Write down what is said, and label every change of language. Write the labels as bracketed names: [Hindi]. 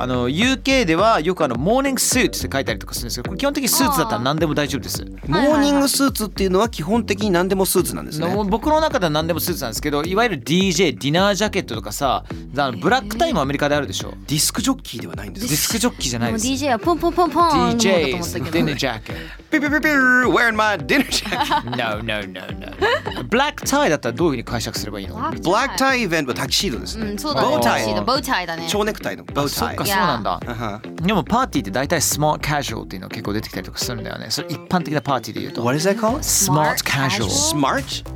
[Japanese] あの UK ではよくあのモーニングスーツって書いたりとかするんですけど、これ基本的にスーツだったら何でも大丈夫です。モーニングスーツっていうのは基本的に何でもスーツなんですね。僕の中では何でもスーツなんですけど、いわゆる DJ ディナージャケットとかさ、あのブラックタイムアメリカであるでしょ。ディスクジョッキーではないんです。ディスクジョッキーじゃないです。もう DJ はポンポンポンポンのものだと思ったけど。 DJ ディナージャケット。 [English] ピピピピピ、wearing my dinner jacket。 No no no no。 [Japanese] ブラックタイだったらどういうふうに解釈すればいいの？ブラックタイイベントはタキシードですね。そうだね。ボタイだね。蝶ネクタイのボタイ。そっか、そうなんだ。Yeah. でもパーティーって大体スマートカジュアルっていうのが結構出てきたりとかするんだよね。それ一般的なパーティーで言うと。 [English] What is that called? [Japanese] スマートカジュアル。スマート